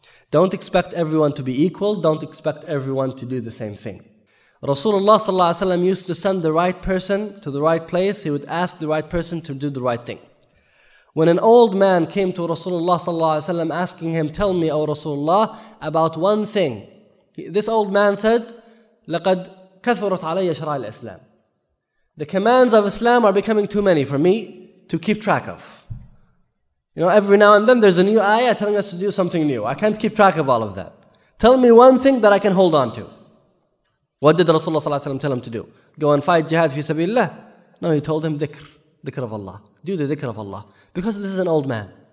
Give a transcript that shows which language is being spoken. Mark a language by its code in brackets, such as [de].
[en] Don't expect everyone to be equal. Don't expect everyone to do the same thing. Rasulullah sallallahu alaihi wasallam used to send the right person to the right place. He would ask the right person to do the right thing. When an old man came to Rasulullah sallallahu alaihi wasallam asking him, tell me, O Rasulullah, about one thing. This old man said, [ar] لَقَدْ كَثُرَتْ عَلَيَّ شَرَعِ الْإِسْلَامِ. [en] The commands of Islam are becoming too many for me to keep track of. You know, every now and then there's a new ayah telling us to do something new. I can't keep track of all of that. Tell me one thing that I can hold on to. What did Rasulullah sallallahu alaihi wasallam tell him to do? Go and fight jihad fi sabilillah? No, he told him dhikr of Allah. Do the dhikr of Allah. Because this is an old man.